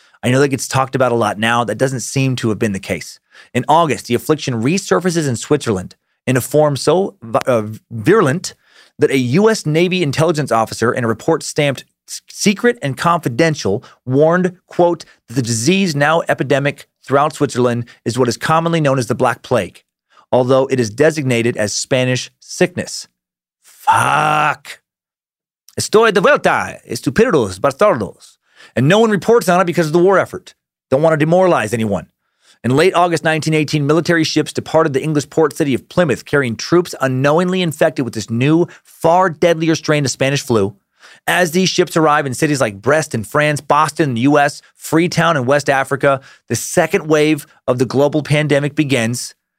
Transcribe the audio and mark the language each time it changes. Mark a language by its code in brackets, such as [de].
[en] I know that gets talked about a lot now. That doesn't seem to have been the case. In August, the affliction resurfaces in Switzerland in a form so virulent that a U.S. Navy intelligence officer in a report stamped secret and confidential warned, quote, that the disease now epidemic throughout Switzerland is what is commonly known as the Black Plague, although it is designated as Spanish sickness. Fuck. [es] Estoy de vuelta, estupidos bastardos. [en] And no one reports on it because of the war effort. Don't want to demoralize anyone. In late August 1918, military ships departed the English port city of Plymouth, carrying troops unknowingly infected with this new, far deadlier strain of Spanish flu. As these ships arrive in cities like Brest in France, Boston in the U.S., Freetown in West Africa, the second wave of the global pandemic begins.